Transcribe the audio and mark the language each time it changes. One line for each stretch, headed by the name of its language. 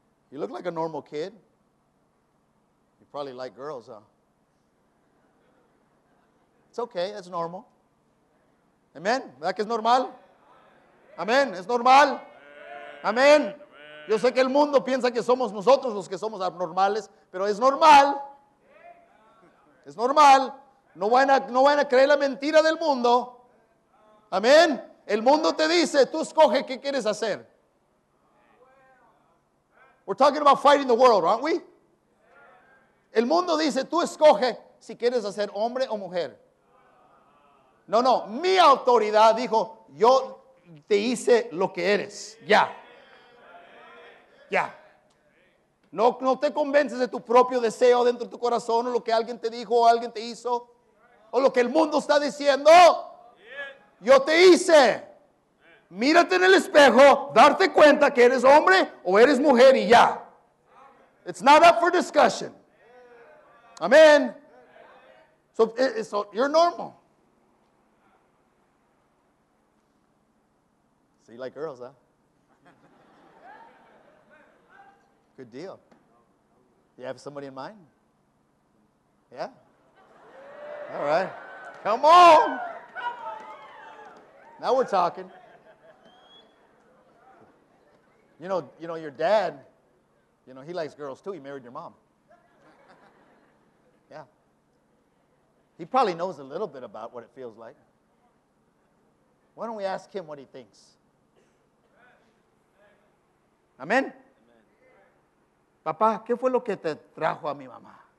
English: You look like a normal kid. You probably like girls, huh? It's okay, that's normal.
Spanish: Amén, ¿verdad que es normal? Amén, ¿es normal? Amén. Yo sé que el mundo piensa que somos nosotros los que somos abnormales, pero es normal. Es normal. No van a creer la mentira del mundo. Amén. El mundo te dice, tú escoge qué quieres hacer.
English: We're talking about fighting the world, aren't we?
Spanish: El mundo dice, tú escoge si quieres hacer hombre o mujer. No, no, mi autoridad dijo, yo te hice lo que eres, ya. Ya. No te convences de tu propio deseo dentro de tu corazón o lo que alguien te dijo o alguien te hizo o lo que el mundo está diciendo. Yo te hice. Mírate en el espejo, darte cuenta que eres hombre o eres mujer y ya.
English: It's not up for discussion. Amén. So you're normal. You like girls, huh? Good deal. You have somebody in mind? Yeah? All right. Come on. Now we're talking. You know your dad, you know, he likes girls too. He married your mom. Yeah. He probably knows a little bit about what it feels like. Why don't we ask him what he thinks?
Spanish: Amén. Papá, ¿qué fue lo que te trajo a mi mamá?